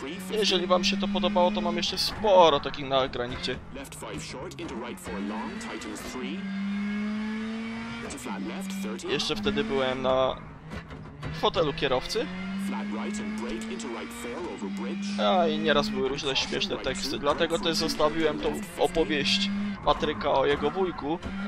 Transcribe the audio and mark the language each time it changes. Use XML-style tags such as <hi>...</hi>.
<pl>Jeżeli wam się to podobało, to mam jeszcze sporo takich nagrań, gdzie</pl> <en>left 5 short into right 4 long, tightens 3. Into flat left 30.</en> <pl>Jeszcze wtedy byłem na fotelu kierowcy.</pl> <en>Flat right and brake into right 4 over bridge.</en> <pl>A i nieraz były różne śmieszne teksty, dlatego też zostawiłem tą opowieść Patryka o jego wujku.</pl>